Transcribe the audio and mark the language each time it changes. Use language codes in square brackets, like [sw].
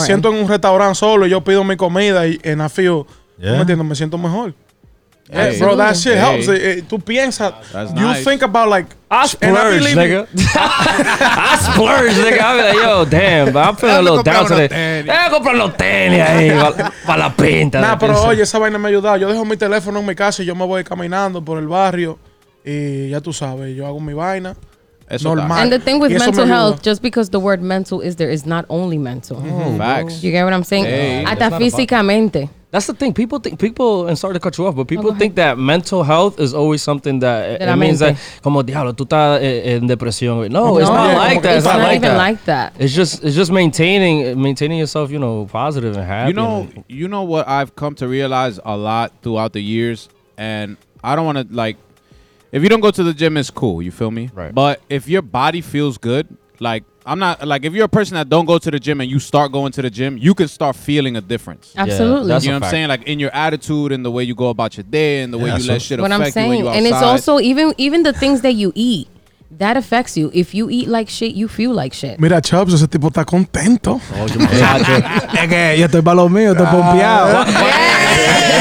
[es] Me siento en un restaurante solo, yo pido mi comida, [en] and I feel, yeah, [es] me entiendo, me siento mejor. [en] Hey. Hey, bro, that shit helps. Hey. [es] Tú piensas, [en] you nice. Think about like, I splurge, nigga. I splurge, nigga. I be like, yo, damn, but I'm feeling a little down today. [es] Yeah, comprar los tenis ahí, para la pinta. Nah, pero pinza. Oye, esa vaina me ha ayudado. Yo dejo mi teléfono en mi casa y yo me voy caminando por el barrio y ya tú sabes, yo hago mi vaina. [en] And the thing with mental health, just because the word mental is there, is not only mental. Mm-hmm. Facts. You get what I'm saying? [es] Hasta físicamente. [en] That's the thing. People think, people, and sorry to cut you off, but people think that mental health is always something that it means that, [es] como diablo, tú estás en depresión. [en] No, it's not like that. It's not like even like that. It's just maintaining yourself, you know, positive and happy. You know what I've come to realize a lot throughout the years, and I don't want to, like, if you don't go to the gym, it's cool. You feel me? Right. But if your body feels good, like, I'm not, like, if you're a person that don't go to the gym and you start going to the gym, you can start feeling a difference. Absolutely. Yeah, you know what I'm saying? Like, in your attitude and the way you go about your day and the way you let shit affect you when you're outside. And it's also, even the things that you eat, that affects you. If you eat like shit, you feel like shit. [es] Mira, Chubbs, ese tipo está contento. Oh, es que yo estoy para lo mío, estoy pompeado.